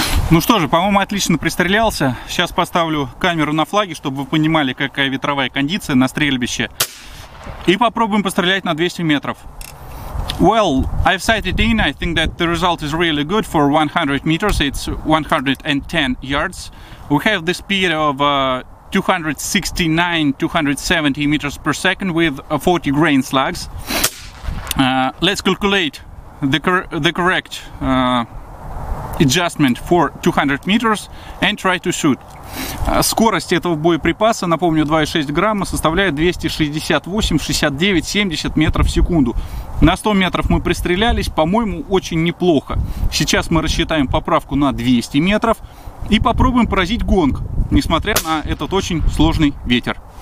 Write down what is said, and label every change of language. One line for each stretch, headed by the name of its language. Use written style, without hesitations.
Russian: Ну что же, по-моему, отлично пристрелялся. Сейчас поставлю камеру на флаге, чтобы вы понимали, какая ветровая кондиция на стрельбище. И попробуем пострелять на 200 метров.
English: Well, I've sighted in. I think that the result is really good for 100 meters. It's 110 yards. We have the speed of 269-270 meters per second with 40 grain slugs. Let's calculate the correct adjustment for 200 meters and try to shoot.
Russian: Скорость этого боеприпаса, напомню, 2,6 грамма, составляет 268, 69, 70 метров в секунду. На 100 метров мы пристрелялись, по-моему, очень неплохо. Сейчас мы рассчитаем поправку на 200 метров и попробуем поразить гонг, несмотря на этот очень сложный ветер.